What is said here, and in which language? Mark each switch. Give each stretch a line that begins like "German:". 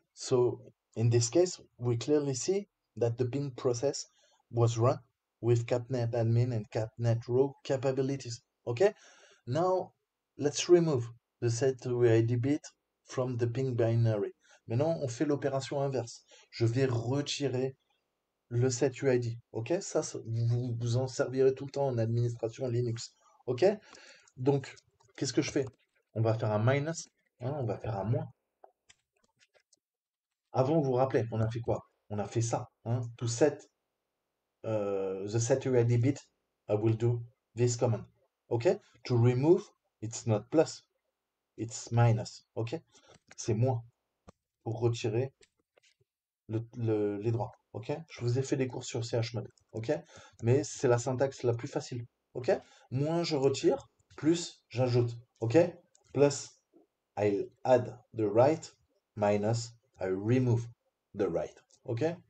English: So in this case, we clearly see that the ping process was run with capnet admin and capnet row capabilities. OK? Now, let's remove the setuid bit from the ping binary.
French: Maintenant, on fait l'opération inverse. Je vais retirer le setuid. OK? Ça, vous en servirez tout le temps en administration Linux. OK? Donc, qu'est-ce que je fais? On va faire un minus, hein, on va faire un moins. Avant, vous vous rappelez, on a fait quoi? On a fait ça.
English: Hein, to set the setuid bit, I will do this command. OK? To remove, it's not plus, it's minus. OK?
French: C'est moins pour retirer les droits. OK? Je vous ai fait des cours sur chmod. OK? Mais c'est la syntaxe la plus facile. OK? Moins je retire. Plus j'ajoute, ok?
English: Plus I'll add the write, minus I remove the write, ok?